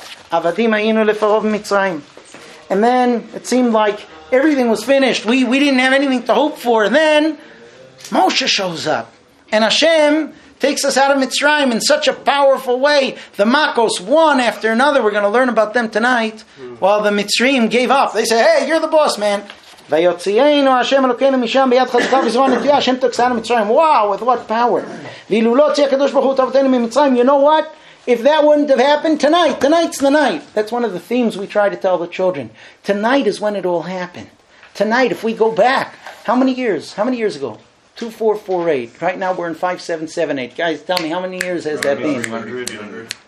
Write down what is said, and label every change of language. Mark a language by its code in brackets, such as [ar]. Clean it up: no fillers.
[he] Avadim ayinu lefarov Mitzrayim. [en] And then it seemed like everything was finished. We didn't have anything to hope for. And then Moshe shows up, and Hashem takes us out of Mitzrayim in such a powerful way. The Makos, one after another, we're going to learn about them tonight, while the Mitzrayim gave up. They say, hey, you're the boss, man. [he] ויוציאנו השם אלוקינו משם ביד חזקה וזרוע נטויה השם תוציאנו מצרים. [en] Wow, with what power. [he] ואילו לא הוציא הקדוש ברוך הוא אבותינו ממצרים. [en] You know what? If that wouldn't have happened, tonight's the night. That's one of the themes we try to tell the children. Tonight is when it all happened. Tonight, if we go back, how many years? How many years ago? 2448. Right now we're in 5778. Guys, tell me, how many years has that been? 300.